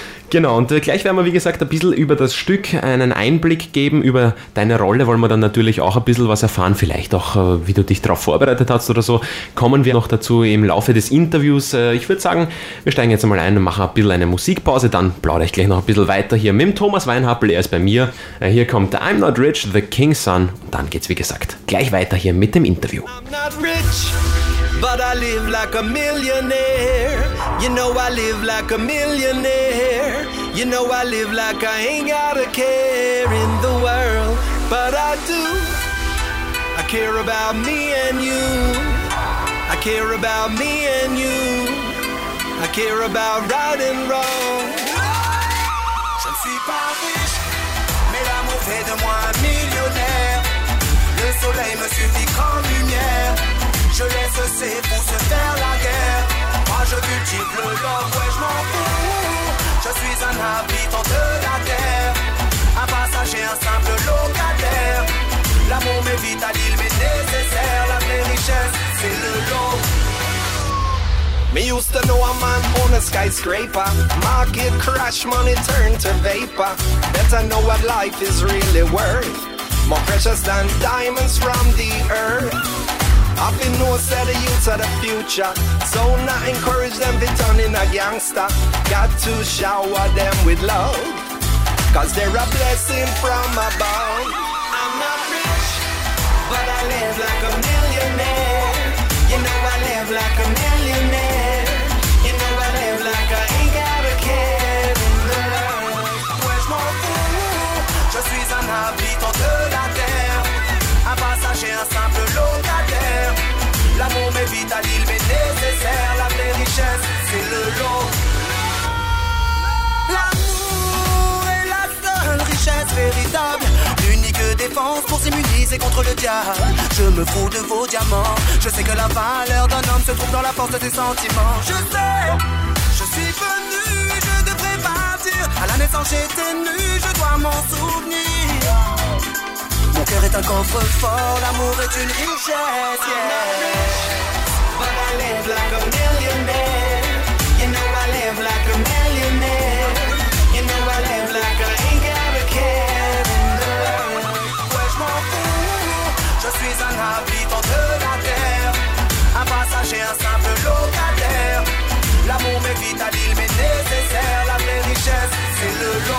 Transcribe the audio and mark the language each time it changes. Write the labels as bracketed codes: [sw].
[de] Genau, und gleich werden wir, wie gesagt, ein bisschen über das Stück einen Einblick geben, über deine Rolle wollen wir dann natürlich auch ein bisschen was erfahren, vielleicht auch, wie du dich darauf vorbereitet hast oder so, kommen wir noch dazu im Laufe des Interviews. Ich würde sagen, wir steigen jetzt einmal ein und machen ein bisschen eine Musikpause, dann plaudere ich gleich noch ein bisschen weiter hier mit dem Thomas Weinhappel, er ist bei mir. Hier kommt I'm Not Rich, The King's Son, und dann geht's, wie gesagt, gleich weiter hier mit dem Interview. [en] I'm not rich, but I live like a millionaire, you know I live like a millionaire. You know I live like I ain't got a care in the world, but I do. I care about me and you. I care about me and you. I care about right and wrong. [fr] Je ne suis pas riche, mais l'amour fait de moi un millionnaire. Le soleil me suffit comme lumière. Je laisse ces fous se faire la guerre. Moi je cultive le love, ouais je m'en fous. Je suis un habitant de la terre, un passager, un simple locataire. L'amour m'est vital, il m'est nécessaire. La vraie richesse, c'est le lot. [en] Me used to know a man on a skyscraper. Market crash, money turned to vapor. Better know what life is really worth. More precious than diamonds from the earth. I've been no set of youth of the future. So not encourage them to turn in a gangster. Got to shower them with love, cause they're a blessing from above. I'm not rich, but I live like a millionaire. You know I live like a millionaire. You know I live like I ain't got a care in the world. Where's my food? [fr] Je suis un habitant de la terre. Un passager, un simple locataire. L'amour m'est vital, il m'est nécessaire. La vraie richesse, c'est le lot. L'amour est la seule richesse véritable. L'unique défense pour s'immuniser contre le diable. Je me fous de vos diamants. Je sais que la valeur d'un homme se trouve dans la force de ses sentiments. Je sais, je suis venu et je devrais partir. À la naissance j'étais nu, je dois m'en souvenir. Mon cœur est un coffre fort, l'amour est une richesse, yeah. [en] I'm not rich, but I live like a millionaire. You know I live like a millionaire. You know I live like I ain't got a care in the world. [fr] Ouais, je m'en fous, je suis un habitant de la terre. Un passager, un simple locataire. L'amour m'est vital, il m'est nécessaire. La vraie richesse, c'est le